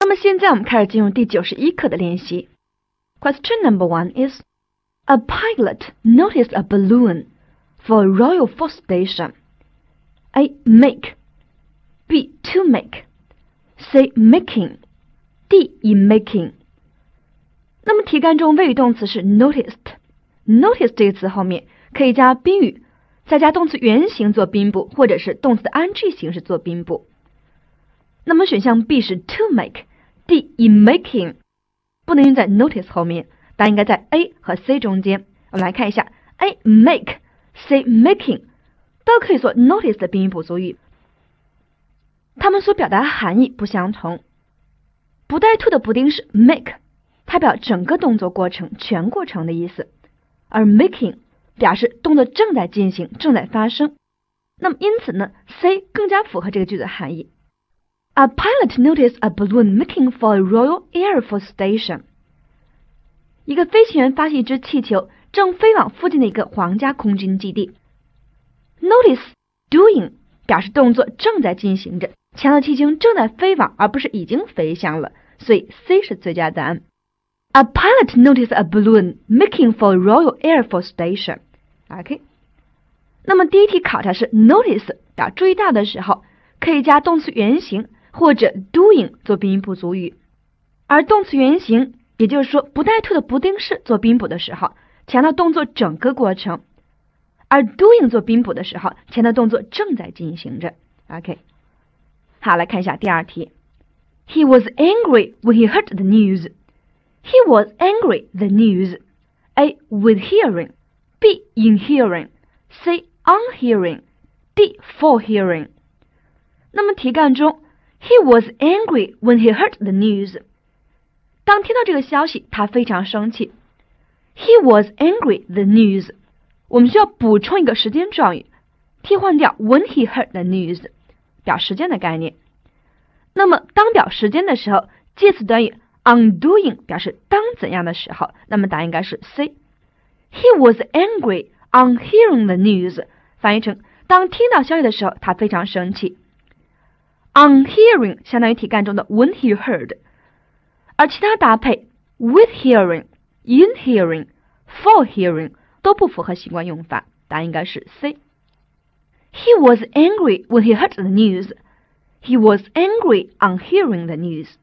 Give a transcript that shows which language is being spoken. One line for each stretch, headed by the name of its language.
Chinese: 么现在我们开始进入第91课的练习。
English: Question number one is, A pilot noticed a balloon for a Royal Force Station. A. Make. B. To make. C. Making. D. In making.
Chinese: 那么题干中谓语动词是 noticed。Notice 这个词后面可以加宾语，再加动词原形做宾补，或者是动词的 ing 形式做宾补。那么选项 B 是 to make, D in making, 不能用在 notice 后面，答应该在 A 和 C 中间。我们来看一下 A make, C making, 都可以做 notice 的宾语补足语。它们所表达含义不相同。不带 to 的不定式 make, 它表整个动作过程、全过程的意思，而 making 表示动作正在进行、正在发生。那么因此呢 ,C 更加符合这个句子含义。
English: A pilot noticed a balloon making for a Royal Air Force Station.
Chinese: 一个飞行员发现一只气球正飞往附近的一个皇家空军基地。 Notice doing 表示动作正在进行着，强调气球正在飞往而不是已经飞向了，所以 C 是最佳答案。
English: A pilot noticed a balloon making for a Royal Air Force Station. OK.
Chinese: 那么第一题考察是 notice 表注意到的时候可以加动词原形或者 doing 做宾语补足语，而动词原形也就是说不带 to 的不定式做宾补的时候强调动作整个过程，而 doing 做宾补的时候强调动作正在进行着。 OK， 好，来看一下第二题。
English: He was angry when he heard the news. He was angry the news. A. With hearing. B. In hearing. C. On hearing. D. For hearing. 那么题干中 He was angry when he heard the news.
Chinese: 当听到这个消息，他非常生气。
English: He was angry the news.
Chinese: 我们需要补充一个时间状语，替换掉 when he heard the news，表时间的概念。那么当表时间的时候，介词短语 on doing 表示当怎样的时候，那么答案应该是 C。
English: He was angry on hearing the news.
Chinese: 翻译成当听到消息的时候，他非常生气。 On hearing 相当于题干中的 when he heard，而其他搭配 with hearing、in hearing、for hearing 都不符合习惯用法，答案应该是 C。
English: He was angry when he heard the news. He was angry on hearing the news.